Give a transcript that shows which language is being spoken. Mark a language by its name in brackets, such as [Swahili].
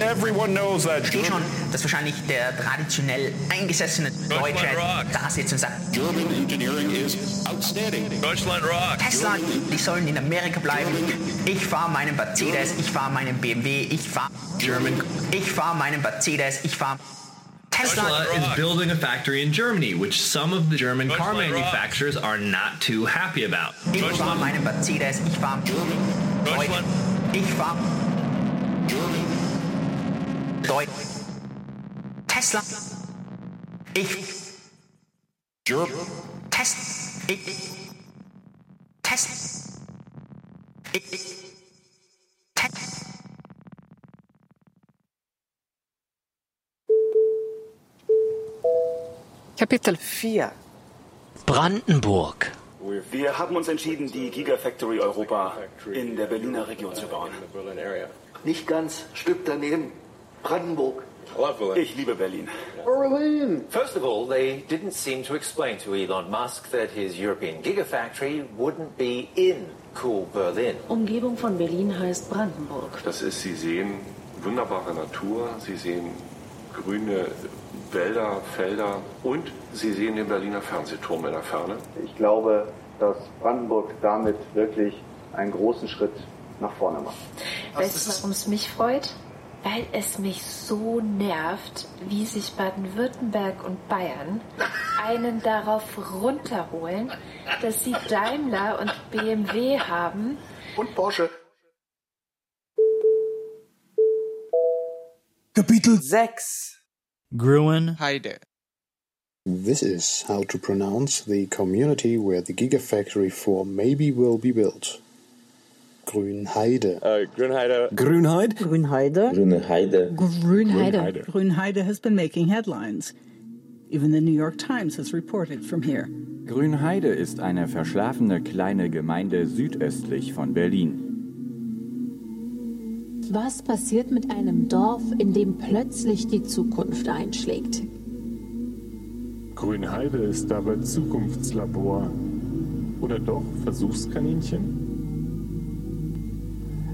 [English] Everyone knows that. [German] Ich verstehe schon, dass wahrscheinlich der traditionell eingesessene Deutsche da sitzt und sagt: [English] German Engineering is outstanding. [German] Deutschland rock. Tesla, die sollen in Amerika bleiben. Ich fahre meinen Mercedes, ich fahre meinen BMW, ich fahre. [English] German. [German] Ich fahre meinen Mercedes, ich fahre. [English] Tesla is building a factory in Germany, which some of the German car manufacturers are not too happy about. [German] Ich fahre meinen Mercedes, ich fahre [English] German. Deutschland. [German] Ich fahre [English] German. [German] Deutschland. Tesla. Ich. [English] German. [German] Test. Ich. Test. Ich. Kapitel 4 Brandenburg. Wir haben uns entschieden, die Gigafactory Europa in der Berliner Region zu bauen. Nicht ganz, Stück daneben. Brandenburg. [English] I love Berlin. [German] Ich liebe Berlin. Berlin! [English] First of all, they didn't seem to explain to Elon Musk that his European Gigafactory wouldn't be in cool Berlin. [German] Umgebung von Berlin heißt Brandenburg. Das ist, Sie sehen wunderbare Natur, Sie sehen grüne Wälder, Felder und Sie sehen den Berliner Fernsehturm in der Ferne. Ich glaube, dass Brandenburg damit wirklich einen großen Schritt nach vorne macht. Weißt du, warum es mich freut? Weil es mich so nervt, wie sich Baden-Württemberg und Bayern einen darauf runterholen, dass sie Daimler und BMW haben. Und Porsche. Kapitel 6. Gruen Heide. [English] This is how to pronounce the community where the Gigafactory 4 maybe will be built. [German] Grünheide. Grünheide. Grünheide. Grünheide. Grünheide. Grünheide. [English] Grünheide has been making headlines. Even the New York Times has reported from here. [German] Grünheide ist eine verschlafene kleine Gemeinde südöstlich von Berlin. Was passiert mit einem Dorf, in dem plötzlich die Zukunft einschlägt? Grünheide ist dabei Zukunftslabor. Oder doch Versuchskaninchen?